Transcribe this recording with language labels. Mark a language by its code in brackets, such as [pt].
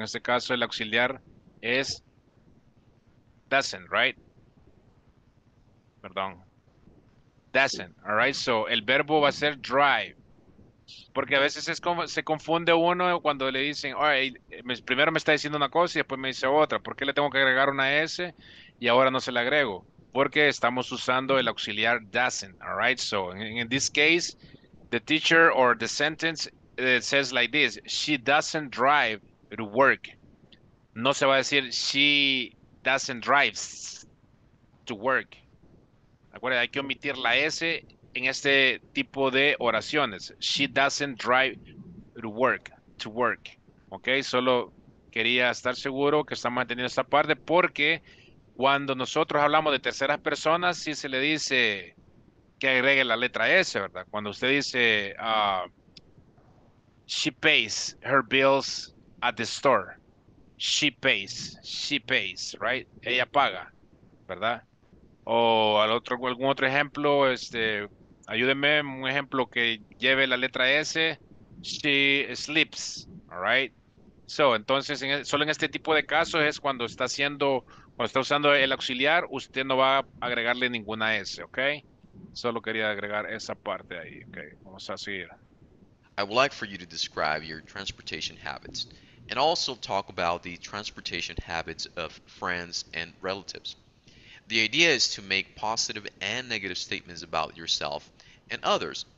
[es] En este caso, el auxiliar es doesn't, right? Perdón. Doesn't, all right? So, el verbo va a ser drive. Porque a veces es como, se confunde uno cuando le dicen, all right, primero me está diciendo una cosa y después me dice otra. ¿Por qué le tengo que agregar una S y ahora no se le agrego? Porque estamos usando el auxiliar doesn't, all right? [en] So, in this case, the teacher or the sentence it says like this, she doesn't drive to work. [es] No se va a decir, [en] she doesn't drive to work. [es] Acuérdense, hay que omitir la S en este tipo de oraciones. [en] She doesn't drive to work. To work. [es] Ok, solo quería estar seguro que estamos entendiendo esta parte porque cuando nosotros hablamos de terceras personas, sí se le dice que agregue la letra S, ¿verdad? Cuando usted dice, [en] she pays her bills at the store. She pays, right? [es] Ella paga, ¿verdad? O al otro, algún otro ejemplo, ayúdeme, un ejemplo que lleve la letra S. [en] She sleeps, all right? [es] So, entonces, solo en este tipo de casos es cuando está haciendo, cuando está usando el auxiliar, usted no va a agregarle ninguna S, ¿ok? Solo quería agregar esa parte ahí, ¿ok? Vamos a seguir. [en] I would like for you to describe your transportation habits and also talk about the transportation habits of friends and relatives. The idea is to make positive and negative statements about yourself and others.